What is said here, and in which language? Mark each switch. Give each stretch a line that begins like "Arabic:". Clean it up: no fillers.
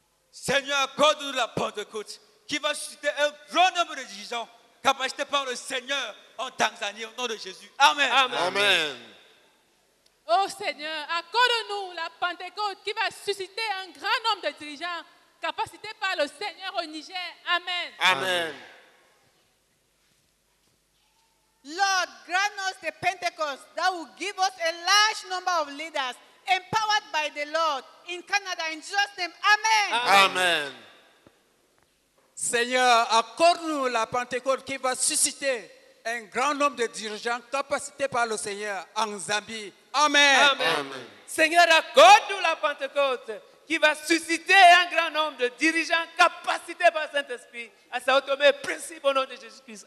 French: Seigneur, accorde-nous la Pentecôte qui va susciter un grand nombre de dirigeants capacités par le Seigneur en Tanzanie, au nom de Jésus. Amen. Amen. Amen. Oh Seigneur, accorde-nous la Pentecôte qui va susciter un grand nombre de dirigeants capacités par le Seigneur au Niger. Amen. Amen.
English: Lord, grant us the Pentecost that will give us a large number of leaders empowered by the Lord in Canada, in Jesus' name. Amen. Amen. Amen.
French: Seigneur, accorde-nous la Pentecôte qui va susciter un grand nombre de dirigeants capacités par le Seigneur en Zambie. Amen. Amen. Amen. Seigneur, accorde-nous la Pentecôte qui va susciter un grand nombre de dirigeants capacités par le Saint-Esprit à Sao Tomé, principe au nom de Jésus-Christ.